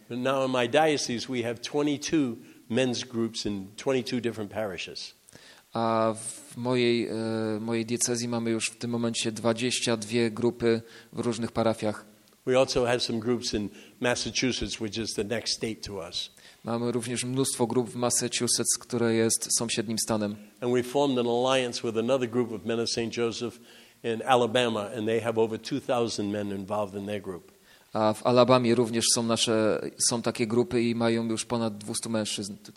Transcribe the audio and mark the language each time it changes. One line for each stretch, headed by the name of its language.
English: Now in my diocese we have 22 men's groups in 22 different parishes.
Polish: A w mojej diecezji mamy już w tym momencie 22 grupy w różnych parafiach.
English: We also have some groups in Massachusetts, which is the next state to us.
Polish: Mamy również mnóstwo grup w Massachusetts, które jest sąsiednim stanem.
English: And we formed an alliance with another group of men of St. Joseph in Alabama, and they have over 2,000 men involved in their group.
Polish: A w Alabamie również są takie grupy i mają już ponad 200 mężczyzn.